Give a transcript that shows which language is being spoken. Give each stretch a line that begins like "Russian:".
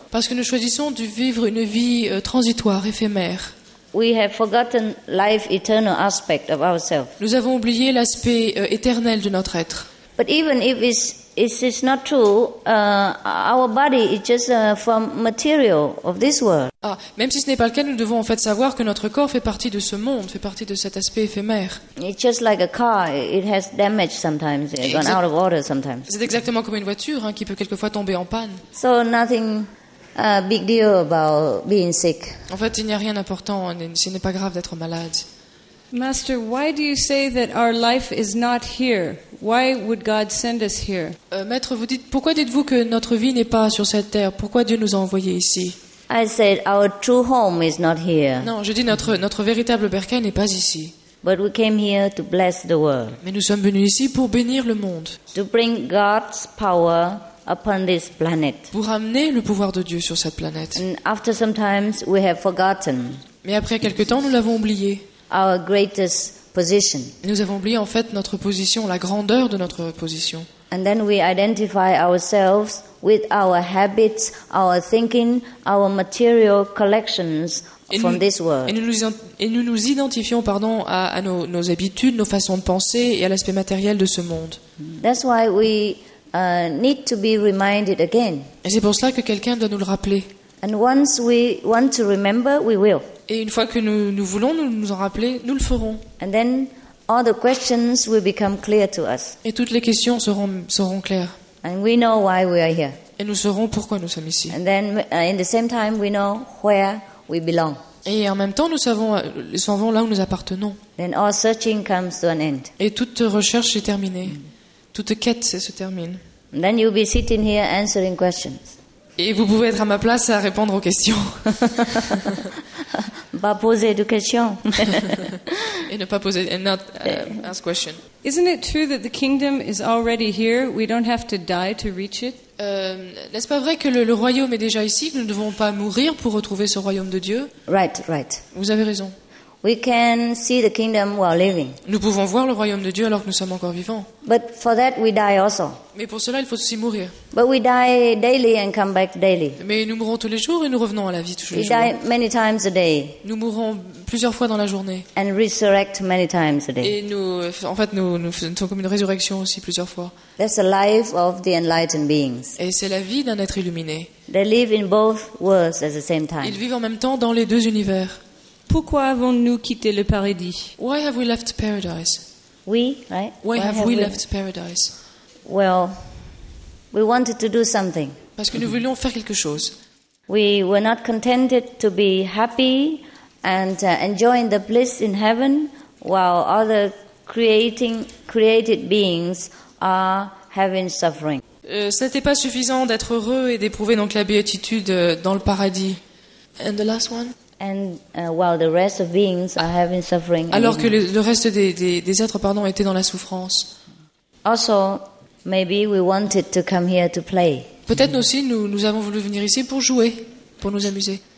French: Parce que nous choisissons de vivre une vie transitoire, éphémère.
English: We have forgotten life eternal aspect of ourselves.
French: Nous avons oublié l'aspect éternel de notre être.
English: But even if it's not true, our body is just from material of this world.
French: Ah, même si ce n'est pas le cas, nous devons en fait savoir que notre corps fait partie de ce monde, fait partie de cet aspect éphémère.
English: It's just like a car, it has damage sometimes, it's gone out of order sometimes.
French: C'est exactement comme une voiture hein, qui peut quelquefois tomber en panne.
English: So nothing a big deal about being sick.
French: En fait, il n'y a rien d'important, ce n'est pas grave d'être malade.
English: Master, why do you say that our life is not here? Why would God send us here?
French: Maître, vous dites, pourquoi dites-vous que notre vie n'est pas sur cette terre? Pourquoi Dieu nous a envoyés ici?
English: I said our true home is not here.
French: Non, je dis notre véritable berceau n'est pas ici.
English: But we came here to bless the world.
French: Mais nous sommes venus ici pour bénir le monde.
English: To bring God's power upon this planet.
French: Pour ramener le pouvoir de Dieu sur cette planète.
English: And after some time, we have forgotten.
French: Mais après quelque temps, nous l'avons oublié.
English: Our greatest position.
French: Nous avons oublié en fait notre position, la grandeur de notre position.
English: And then we identify ourselves with our habits, our thinking, our material collections from this world.
French: Et nous identifions à nos habitudes, nos façons de penser et à l'aspect matériel de ce monde.
English: That's why we need to be reminded again.
French: Et c'est pour cela que quelqu'un doit nous le rappeler.
English: And once we want to remember, we will.
French: Et une fois que nous voulons nous en rappeler, nous le ferons.
English: And then all the questions will become clear to us.
French: Et toutes les questions seront claires.
English: And we know why we are here.
French: Et nous saurons pourquoi nous sommes ici.
English: And then in the same time we know where we belong.
French: Et en même temps nous savons là où nous appartenons.
English: Then all searching comes to an end.
French: Et toute recherche est terminée. Toute quête se termine.
English: And then you'll be sitting here answering questions.
French: Et vous pouvez être à ma place à répondre aux questions. Pas poser de questions. Et ne pas poser,
English: and not ask questions. Isn't it true that the kingdom is already here? We don't have to die to reach it.
French: N'est-ce pas vrai que le royaume est déjà ici? Nous ne devons pas mourir pour retrouver ce royaume de Dieu.
English: Right, right.
French: Vous avez raison.
English: We can see the kingdom while living.
French: Nous pouvons voir le royaume de Dieu alors que nous sommes encore vivants.
English: But for that we die also.
French: Mais pour cela, il faut aussi mourir.
English: But we die daily and come back daily.
French: Mais nous mourons tous les jours et nous revenons à la vie tous les
English: we
French: jours.
English: Die many times a day.
French: Nous mourons plusieurs fois dans la journée.
English: And resurrect many times a day.
French: Et nous faisons comme une résurrection aussi plusieurs fois.
English: That's the life of the enlightened beings.
French: Et c'est la vie d'un être illuminé.
English: They live in both worlds at the same time.
French: Ils vivent en même temps dans les deux univers. Pourquoi avons-nous quitté le paradis?
English: Why have we left paradise? We, right? Why have we left paradise? Well, we wanted to do something.
French: Parce que nous voulions faire quelque chose.
English: We were not contented to be happy and enjoying the bliss in heaven while other created beings are having suffering.
French: C'était pas suffisant d'être heureux et d'éprouver donc la béatitude dans le paradis.
English: And the last one? And while the rest of beings are having suffering,
French: alors que le reste des êtres étaient dans la souffrance.
English: Also, maybe we wanted to come here to play.
French: Peut-être aussi nous avons voulu venir ici pour jouer, pour nous amuser.